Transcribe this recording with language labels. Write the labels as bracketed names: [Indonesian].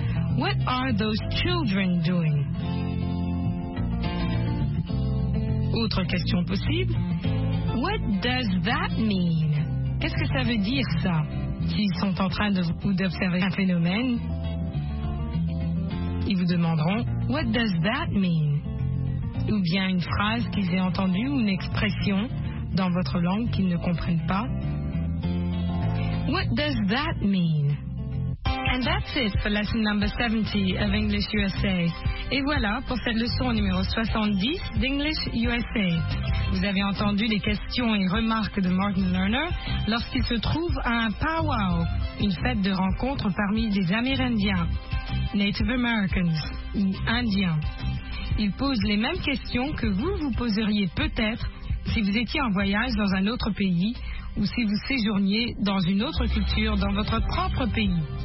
[English] « What are those children doing? » Autre question possible, « What does that mean? » [French] Qu'est-ce que ça veut dire ça? S'ils sont en train de, ou d'observer un phénomène, ils vous demanderont « [English] What does that mean? [French] » Ou bien une phrase qu'ils aient entendue ou une expression dans votre langue qu'ils ne comprennent pas. « [English] What does that mean? » And that's it for lesson number 70 of English USA. [French] Et voilà pour cette leçon numéro 70 d'English USA. Vous avez entendu les questions et remarques de Martin Lerner lorsqu'il se trouve à un powwow, une fête de rencontre parmi des Amérindiens. Native Americans, ou Indiens. Ils posent les mêmes questions que vous vous poseriez peut-être si vous étiez en voyage dans un autre pays ou si vous séjourniez dans une autre culture dans votre propre pays.